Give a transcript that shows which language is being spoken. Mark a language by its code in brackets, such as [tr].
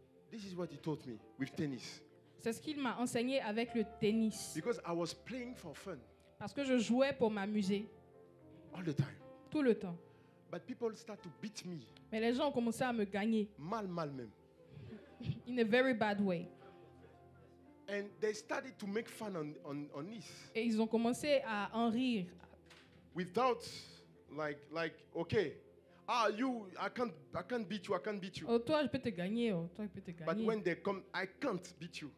[en] This is what he taught me with tennis. [fr] C'est ce qu'il m'a enseigné avec le tennis. [en] Because I was playing for fun. [fr] Parce que je jouais pour m'amuser. [en] All the time. [fr] Tout le temps. [en] But people start to beat me. [fr] Mais les gens ont commencé à me gagner. Mal même. [en] In a very bad way. And they started to make fun on this. [fr] Et ils ont commencé à en rire. [en] Without, like, okay, Ah, you, I can't beat you. I can't beat you. [fr] Oh, toi, je peux te gagner. Oh, toi, je peux te gagner. [en] But when they come, I can't beat you.